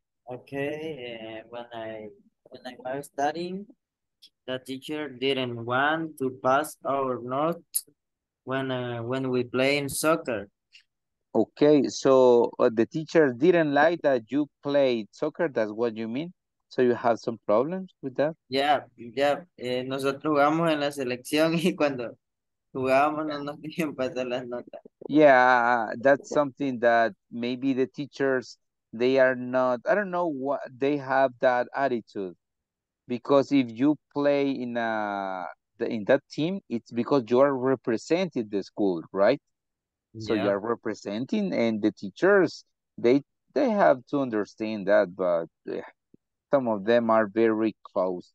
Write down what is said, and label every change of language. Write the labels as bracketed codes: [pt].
[en] Okay, when I was studying, the teacher didn't want to pass our notes when we play in soccer. Okay, so the teacher didn't like that you played soccer, that's what you mean? So you have some problems with that? Yeah. [es] Nosotros jugamos en la selección y cuando jugamos no nos dejan pasar las notas. [en] Yeah, that's something that maybe the teachers, they are not, I don't know what, they have that attitude. Because if you play in that team, it's because you are representing the school, right? So yeah. You are representing, and the teachers, they have to understand that, but some of them are very close.